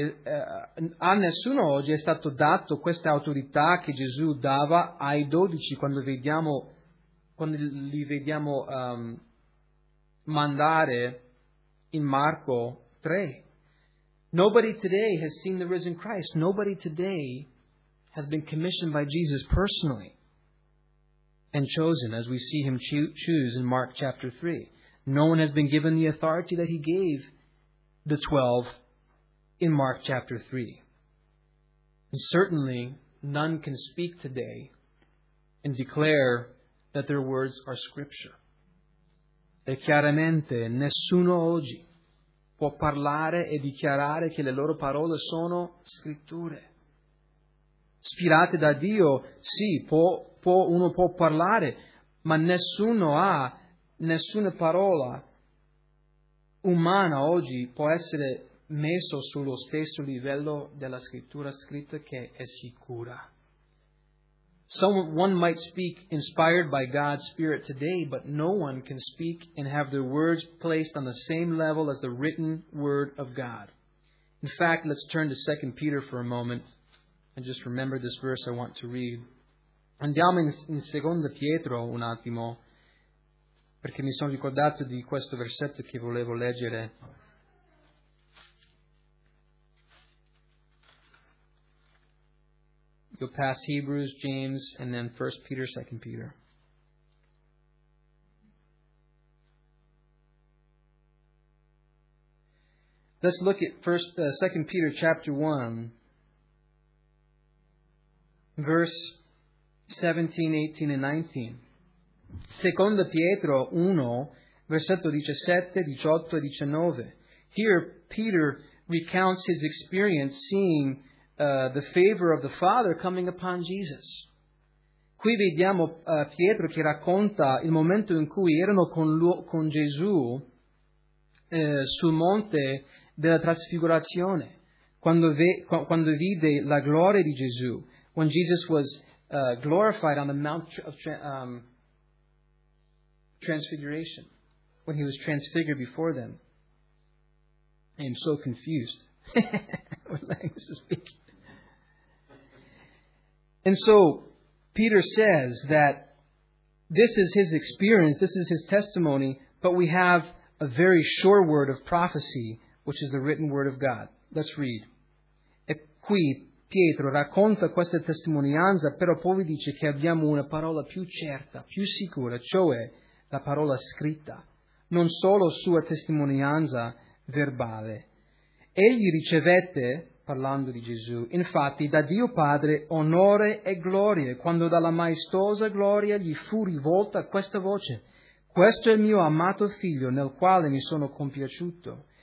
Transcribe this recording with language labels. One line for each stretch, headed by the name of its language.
Italian: A nessuno oggi è stato dato questa autorità che Gesù dava ai dodici quando li vediamo mandare in Marco 3.
English: Nobody today has seen the risen Christ. Nobody today has been commissioned by Jesus personally and chosen, as we see him choose in Mark chapter 3. No one has been given the authority that he gave the 12 in Mark chapter 3. And certainly, none can speak today and declare that their words are scripture.
Italian: E chiaramente, nessuno oggi può parlare e dichiarare che le loro parole sono scritture. Ispirate da Dio, sì, uno può parlare, ma nessuna parola umana oggi può essere messa sullo stesso livello della scrittura scritta che è sicura.
English: Someone might speak inspired by God's Spirit today, but no one can speak and have their words placed on the same level as the written word of God. In fact, let's turn to 2 Peter for a moment. And just remember this verse I want to read.
Italian: Andiamo in Seconda Pietro un attimo, perché mi sono ricordato di questo versetto che volevo leggere.
English: You'll pass Hebrews, James, and then 1 Peter, 2 Peter. Let's look at 2 Peter chapter 1. Verse 17, 18, and 19.
Italian: Secondo Pietro 1, versetto 17, 18, 19.
English: Here, Peter recounts his experience seeing the favor of the Father coming upon Jesus.
Italian: Qui vediamo Pietro che racconta il momento in cui erano con Gesù sul monte della trasfigurazione, quando vide la gloria di Gesù.
English: When Jesus was glorified on the Mount of Transfiguration, when he was transfigured before them. I am so confused with language to speak. And so Peter says that this is his experience, this is his testimony, but we have a very sure word of prophecy, which is the written word of God. Let's read.
Italian: E qui Pietro racconta questa testimonianza, però poi dice che abbiamo una parola più certa, più sicura, cioè la parola scritta, non solo sua testimonianza verbale. Egli ricevette, parlando di Gesù, infatti da Dio Padre onore e gloria, quando dalla maestosa gloria gli fu rivolta questa voce: questo è il mio amato figlio nel quale mi sono compiaciuto.